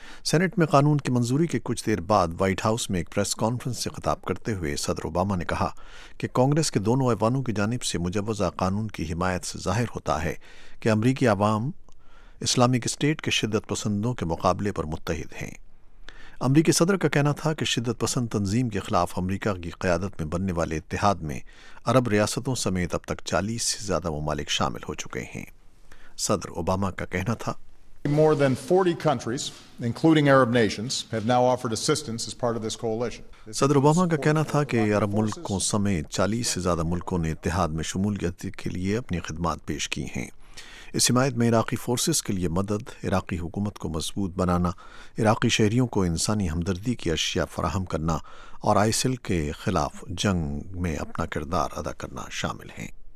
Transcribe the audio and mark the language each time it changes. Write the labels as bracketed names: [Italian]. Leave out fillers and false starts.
[Urdu] Saint میں قانون کی منظوری کے کچھ دیر بعد وائٹ ہاؤس میں ایک پریس کانفرنس سے خطاب کرتے ہوئے صدر اوباما نے کہا کہ کانگریس کے دونوں ایوانوں کی جانب سے مجوزہ قانون کی حمایت سے ظاہر ہوتا ہے کہ امریکی عوام اسلامک اسٹیٹ کے شدت پسندوں کے مقابلے پر متحد ہیں۔ امریکی صدر کا کہنا تھا کہ شدت پسند تنظیم کے خلاف امریکہ کی قیادت میں بننے والے اتحاد میں عرب ریاستوں سمیت اب تک 40 سے زیادہ ممالک شامل ہو چکے ہیں۔ صدر اوباما کا کہنا تھا [English] More than 40 countries, including Arab nations, have now offered assistance as part of this coalition. [Urdu] صدر اوباما کا کہنا تھا کہ عرب ملکوں سمیت 40 سے زیادہ ملکوں نے اتحاد میں شمولیت کے لیے اپنی خدمات پیش کی ہیں۔ اس حمایت میں عراقی فورسز کے لیے مدد، عراقی حکومت کو مضبوط بنانا، عراقی شہریوں کو انسانی ہمدردی کی اشیاء فراہم کرنا اور آئی ایس ایل کے خلاف جنگ میں اپنا کردار ادا کرنا شامل ہیں۔